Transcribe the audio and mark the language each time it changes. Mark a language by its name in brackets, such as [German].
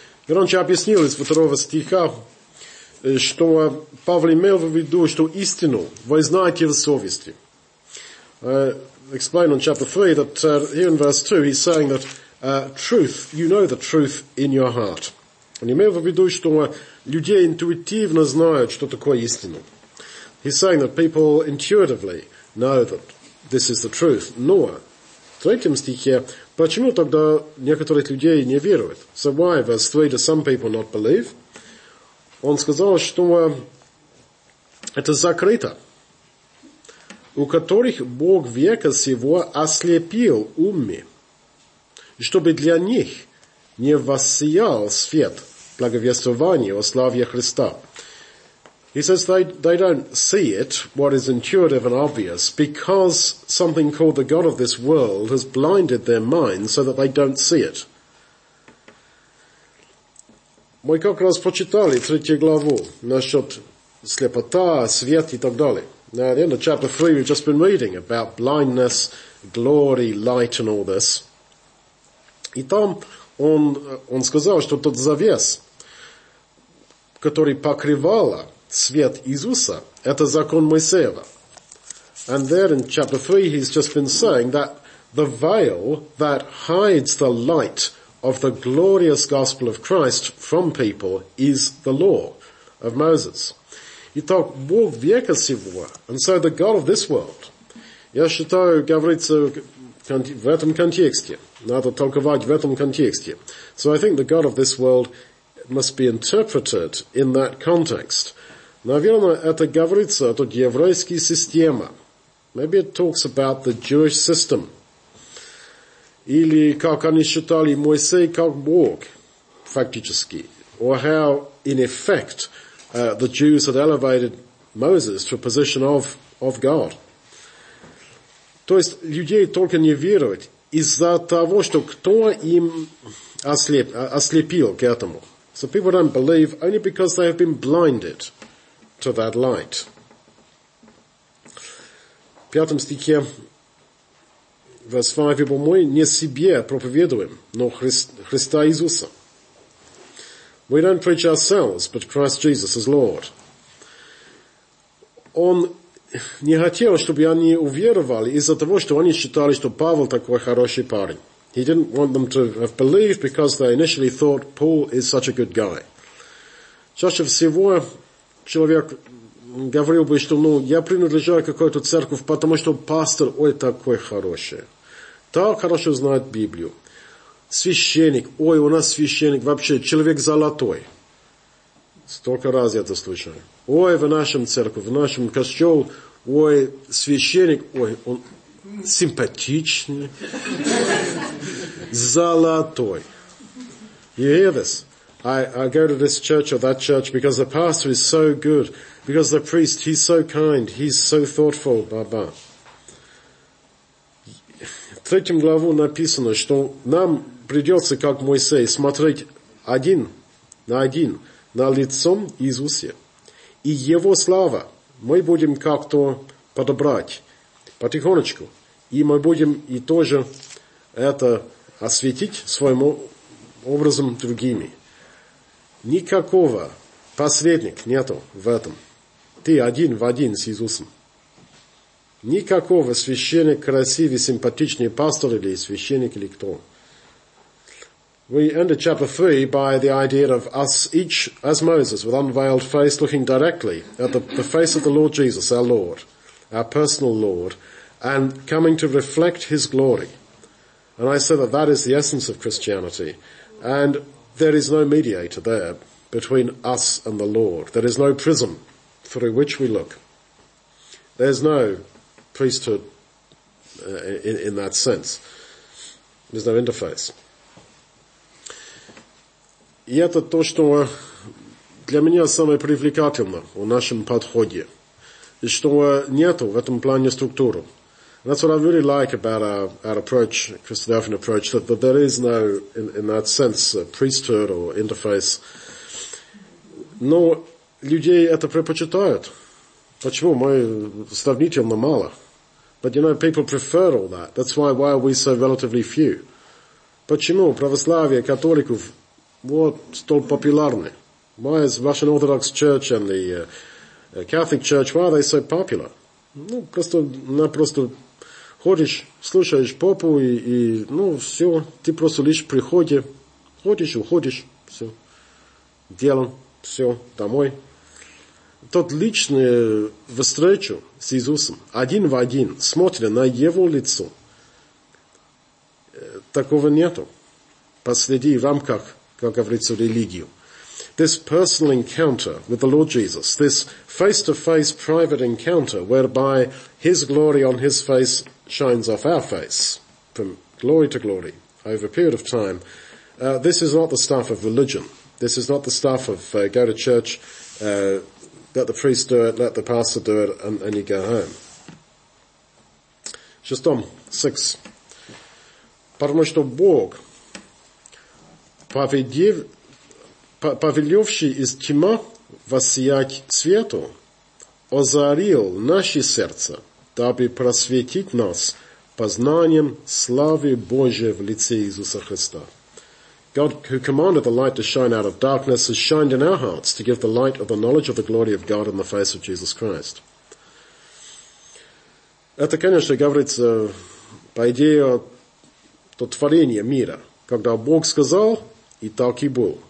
[Russian] Гранче объяснил из 2 стиха, что Павел имел в виду, что истину вы знаете в совести. [English] Explain on chapter 3 that here in verse 2 he's saying that truth, you know the truth in your heart. [Russian] Он имел в виду, что люди интуитивно знают, что такое истина. [English] He's saying that people intuitively know that this is the truth. [Russian] Но в третьем стихе, почему тогда некоторых людей не веруют? [English] So why, verse 3, do some people not believe? [Russian] Он сказал, что это закрыто. У которых Бог века сего ослепил умы, чтобы для них не воссиял свет благовествования о славе Христа. [English] He says they don't see it, what is intuitive and obvious, because something called the God of this world has blinded their minds so that they don't see it. [Russian] Мы как раз прочитали третью главу насчет слепота, свет и так далее. [English] Now, at the end of chapter 3, we've just been reading about blindness, glory, light, and all this. [Russian] И там он сказал, что тот завес, который покрывала свет Иисуса, это закон Моисеева. [English] And there in chapter 3, he's just been saying that the veil that hides the light of the glorious gospel of Christ from people is the law of Moses. [Russian] Итак, Бог века сего, [English] and so the God of this world. [Russian] Я считаю, говорится в этом контексте. Надо толковать в этом контексте. [English] So I think the God of this world must be interpreted in that context. [Russian] Наверное, это говорится, тут еврейская система. [English] Maybe it talks about the Jewish system. [Russian] Или как они считали Моисей как Бог, фактически. [English] Or how, in effect, the Jews had elevated Moses to a position of God. [Russian] То есть, людей только не веруют из-за того, что кто им ослепил к этому. [English] So people don't believe only because they have been blinded to that light. [Russian] В пятом стихе, [English] verse 5, [Russian] ибо мы не себе проповедуем, но Христа Иисуса. [English] We don't preach ourselves, but Christ Jesus as Lord. [Russian] Он не хотел, чтобы они уверовали из-за того, что они считали, что Павел такой хороший парень. [English] He didn't want them to have believed because they initially thought Paul is such a good guy. [Russian] Чаще всего человек говорил бы, что я принадлежу к какой-то церкви, потому что пастор, такой хороший. Так хорошо знает Библию. Священник, у нас священник вообще, человек золотой. Столько раз я это слышал. В нашем церкви, в нашем костел, священник, он симпатичный, золотой. [English] You hear this? I go to this church or that church because the pastor is so good, because the priest, he's so kind, he's so thoughtful, ба-ба. [Russian] В третьем главу написано, что нам придется, как Моисей, смотреть один на лицом Иисусе. И его слава мы будем как-то подобрать потихонечку. И мы будем и тоже это осветить своим образом другими. Никакого посредника нету в этом. Ты один в один с Иисусом. Никакого священника, красивый, симпатичный пастор или священник или кто. [English] We ended chapter 3 by the idea of us each as Moses with unveiled face looking directly at the face of the Lord Jesus, our Lord, our personal Lord, and coming to reflect his glory. And I say that is the essence of Christianity. And there is no mediator there between us and the Lord. There is no prism through which we look. There's no priesthood in that sense. There's no interface. [Russian] И это то, что для меня самое привлекательное в нашем подходе. И что нету в этом плане структуры. [English] And that's what I really like about our approach, Christadelphian approach, that there is no, in that sense, priesthood or interface. [Russian] Но людей это предпочитают. Почему? Мы сравнительно мало. [English] But you know, people prefer all that. That's why are we so relatively few? [Russian] Почему православие католиков вот столь популярны? [English] Why is Russian Orthodox Church and the Catholic Church, why are they so popular? [Russian] Ну, просто ходишь, слушаешь попу и ну, все, ты просто лишь приходишь, ходишь, уходишь, все, делом, все, домой. Тот личный встречу с Иисусом, один в один, смотря на его лицо, такого нету. Посреди в рамках, как говорится, религию. [English] This personal encounter with the Lord Jesus, this face-to-face private encounter whereby his glory on his face shines off our face from glory to glory over a period of time, this is not the stuff of religion. This is not the stuff of go to church, let the priest do it, let the pastor do it, and you go home. [Russian] Шестом, [English] six. [Russian] Потому что Бог, повелевший из тьмы воссиять свету, озарил наши сердца, дабы просветить нас познанием славы Божией в лице Иисуса Христа. [English] God, who commanded the light to shine out of darkness, has shined in our hearts to give the light of the knowledge of the glory of God in the face of Jesus Christ. [Russian] Это, конечно, говорится по идее о творении мира. Когда Бог сказал, и так и был.